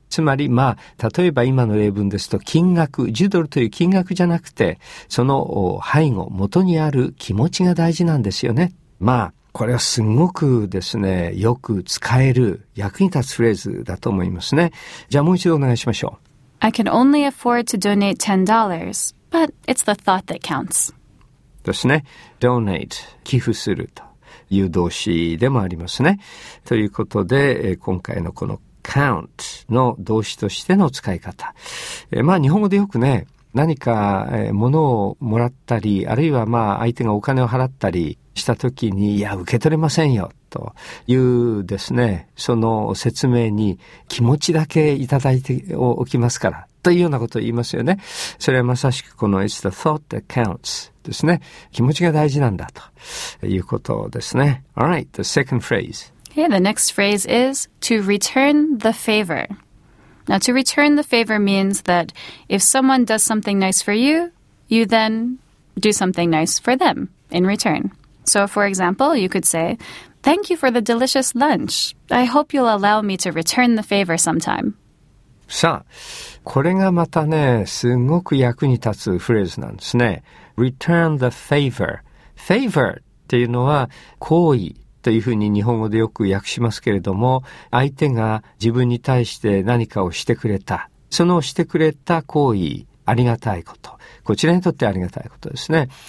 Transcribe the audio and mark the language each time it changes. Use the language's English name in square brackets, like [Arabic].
[Japanese] つまり、まあ、例えば今の例文ですと、金額、10ドルという金額じゃなくて、その背後、元にある気持ちが大事なんですよね。まあ、これはすごくですね、よく使える、役に立つフレーズだと思いますね。じゃあもう一度お願いしましょう。 [English] I can only afford to donate $10, but it's the thought that counts. [Japanese] ですね。donate、寄付すると。いう動詞でもありますね。ということで、今回のこのcount の動詞としての使い方、まあ日本語でよくね、何か物をもらったり、あるいはまあ相手がお金を払ったりした時に、いや受け取れませんよというですね、その説明に気持ちだけいただいておきますからというようなことを言いますよね。それはまさしくこの [English] It's the thought that counts [Japanese] ですね。気持ちが大事なんだということですね。 [English] Alright, the second phrase Okay, the next phrase is to return the favor. Now, to return the favor means that if someone does something nice for you, you then do something nice for them in return. So, for example, you could say, Thank you for the delicious lunch. I hope you'll allow me to return the favor sometime. [Japanese] さあ、これがまたね、すごく役に立つフレーズなんですね。 [English] Return the favor. Favor [Japanese] っていうのは好意。というふうに日本語でよく訳しますけれども、相手が自分に対して何かをしてくれた、そのしてくれた行為、ありがたいこと、こちらにとってありがたいことですね。